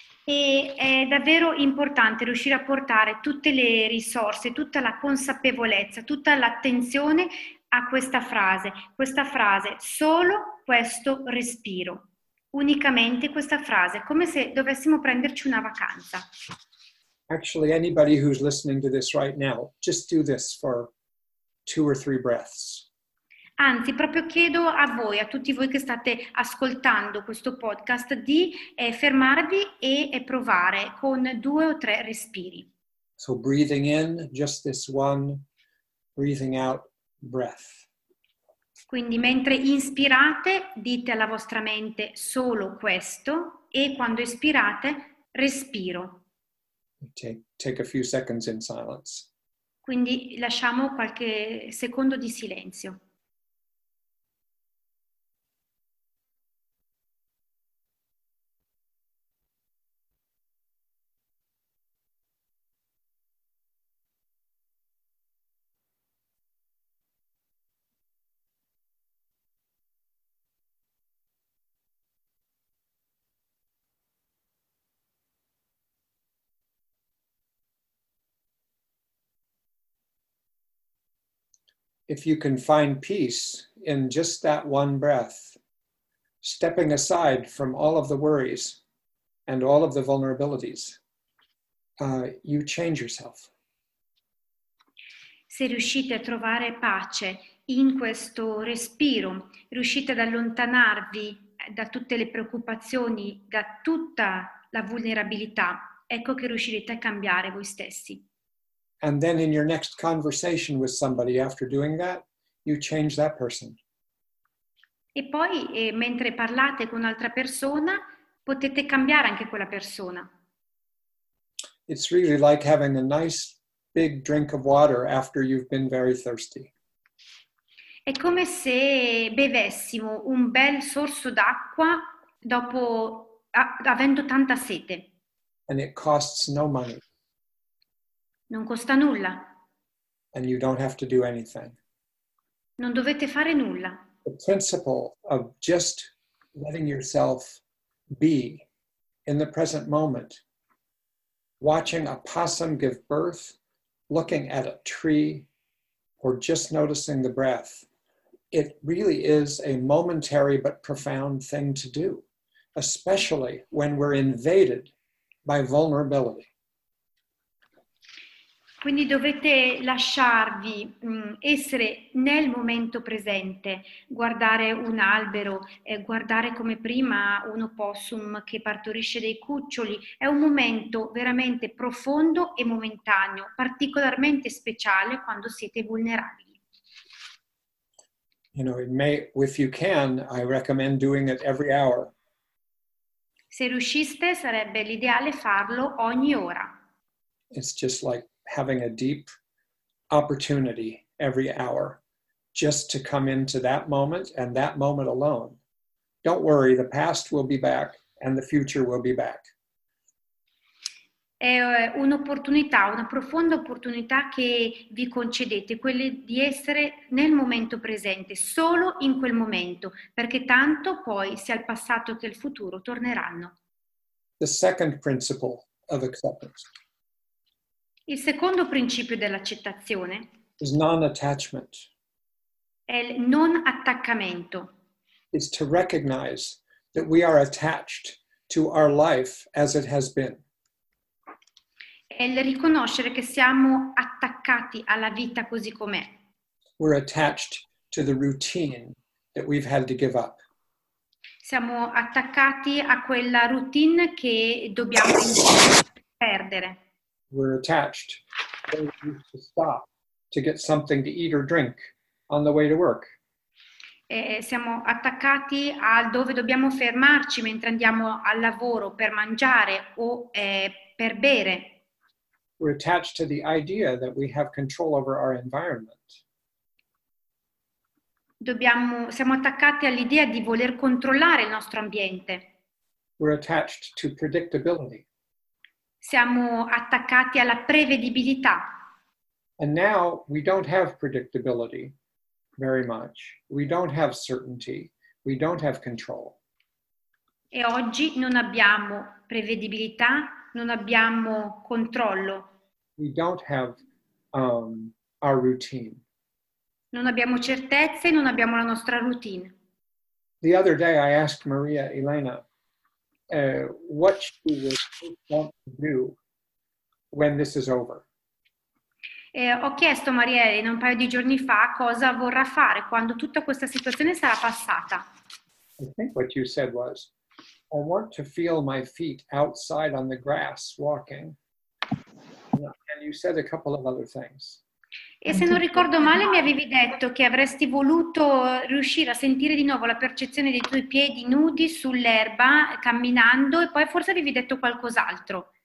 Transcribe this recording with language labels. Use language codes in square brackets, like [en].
[it] E è davvero importante riuscire a portare tutte le risorse, tutta la consapevolezza, tutta l'attenzione a questa frase, solo questo respiro, unicamente questa frase, come se dovessimo prenderci una vacanza. [en] Actually, anybody who's listening to this right now, just do this for two or three breaths. [it] Anzi, proprio chiedo a voi, a tutti voi che state ascoltando questo podcast, di fermarvi e provare con due o tre respiri. [en] So breathing in, just this one, breathing out, breath. [it] Quindi mentre inspirate, dite alla vostra mente solo questo, e quando espirate, respiro. [en] Take a few seconds in silence. [it] Quindi lasciamo qualche secondo di silenzio. [en] If you can find peace in just that one breath, stepping aside from all of the worries and all of the vulnerabilities, you change yourself. [it] Se riuscite a trovare pace in questo respiro, riuscite ad allontanarvi da tutte le preoccupazioni, da tutta la vulnerabilità, ecco che riuscirete a cambiare voi stessi. [en] And then in your next conversation with somebody after doing that, you change that person. [it] E poi, mentre parlate con un'altra persona, potete cambiare anche quella persona. [en] It's really like having a nice big drink of water after you've been very thirsty. [it] È come se bevessimo un bel sorso d'acqua dopo avendo tanta sete. [en] And it costs no money. [it] Non costa nulla. [en] And you don't have to do anything. [it] Non dovete fare nulla. [en] The principle of just letting yourself be in the present moment, watching a possum give birth, looking at a tree, or just noticing the breath, it really is a momentary but profound thing to do, especially when we're invaded by vulnerability. [it] Quindi dovete lasciarvi essere nel momento presente, guardare un albero, guardare come prima un opossum che partorisce dei cuccioli. È un momento veramente profondo e momentaneo, particolarmente speciale quando siete vulnerabili. [en] You know, it may, if you can, I recommend doing it every hour. [it] Se riusciste, sarebbe l'ideale farlo ogni ora. [en] It's just like having a deep opportunity every hour just to come into that moment and that moment alone. Don't worry, the past will be back and the future will be back. [it] È un'opportunità, una profonda opportunità che vi concedete, quella di essere nel momento presente, solo in quel momento, perché tanto poi sia il passato che il futuro torneranno. [en] The second principle of acceptance. [it] Il secondo principio dell'accettazione [en] is non-attachment. [it] È il non attaccamento. [en] It's to recognize that we are attached to our life as it has been. [it] È il riconoscere che siamo attaccati alla vita così com'è. [en] We're attached to the routine that we've had to give up. [it] Siamo attaccati a quella routine che dobbiamo perdere. [en] We're attached. We used to stop to get something to eat or drink on the way to work. [it] Siamo attaccati a dove dobbiamo fermarci mentre andiamo al lavoro per mangiare o per bere. [en] We're attached to the idea that we have control over our environment. [it] Siamo attaccati all'idea di voler controllare il nostro ambiente. [en] We're attached to predictability. [it] Siamo attaccati alla prevedibilità. [en] And now we don't have predictability very much. We don't have certainty. We don't have control. [it] E oggi non abbiamo prevedibilità, non abbiamo controllo. [en] We don't have our routine. [it] Non abbiamo certezze, non abbiamo la nostra routine. [en] The other day I asked Maria Elena, what she would want to do when this is over. [it] Ho chiesto a Maria Elena un paio di giorni fa cosa vorrà fare quando tutta questa situazione sarà passata. [en] I think what you said was, I want to feel my feet outside on the grass walking. And you said a couple of other things. [it] E se non ricordo male mi avevi detto che avresti voluto riuscire a sentire di nuovo la percezione dei tuoi piedi nudi sull'erba camminando e poi forse avevi detto qualcos'altro.